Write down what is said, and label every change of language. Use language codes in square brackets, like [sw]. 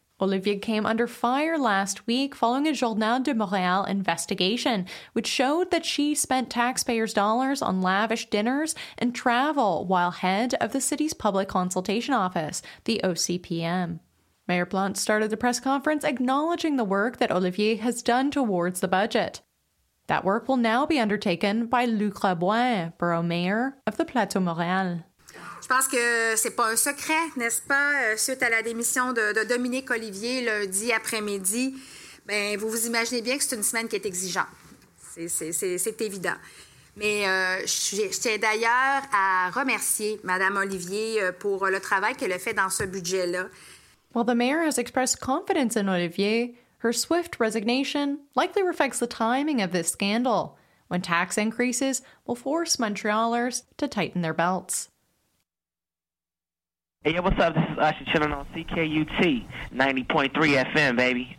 [en] Olivier came under fire last week following a Journal de Montréal investigation, which showed that she spent taxpayers' dollars on lavish dinners and travel while head of the city's public consultation office, the OCPM. Mayor Plante started the press conference acknowledging the work that Olivier has done towards the budget. That work will now be undertaken by Luc Rabouin, borough mayor of the Plateau Montréal. [fr] Je pense que c'est pas un secret, n'est-ce pas, suite à la démission de Dominique Olivier lundi après-midi. Ben, vous vous imaginez bien que c'est une semaine qui est exigeante. C'est évident. Mais je tiens d'ailleurs à remercier Madame Olivier pour le travail qu'elle a fait dans ce budget-là. [en] While the mayor has expressed confidence in Olivier, her swift resignation likely reflects the timing of this scandal, when tax increases will force Montrealers to tighten their belts. Hey, yo, what's up? This is Usher chilling on CKUT, 90.3 FM, baby.